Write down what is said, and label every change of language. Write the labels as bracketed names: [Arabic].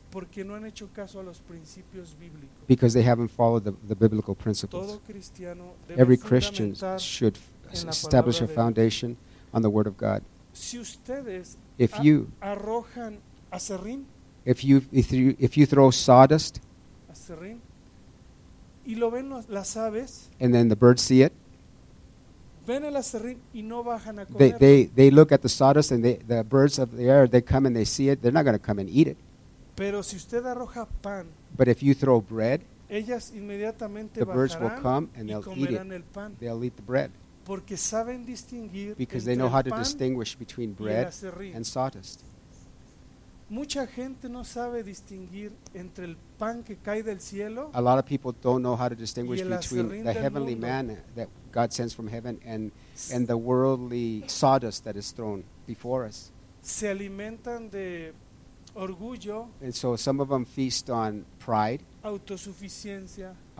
[Spanish] porque no han hecho caso a los principios bíblicos, [English] because they haven't followed the biblical principles. [Spanish] Todo cristiano debe [English] every Christian should establish a foundation on the Word of God. [Spanish] Si ustedes [English] if you [Spanish] arrojan aserrín, [English] if you throw sawdust [Spanish] aserrín, y lo ven las aves, [English] and then the birds see it, [Spanish] ven el aserrín y no bajan a comer. [English] They look at the sawdust and the birds of the air, they come and they see it, they're not going to come and eat it. [Spanish] Pero si usted arroja pan, [English] but if you throw bread, [Spanish] ellas inmediatamente [English] the birds will come and they'll eat the bread. [Spanish] Porque saben distinguir [English] because they know how to distinguish between bread and sawdust. [Spanish] Mucha gente no sabe distinguir entre el pan que cae del cielo. [English] A lot of people don't know how to distinguish between the heavenly manna that God sends from heaven and the worldly sawdust that is thrown before us. [Spanish] Se alimentan de orgullo. [English] And so some of them feast on pride, [Spanish] autosuficiencia,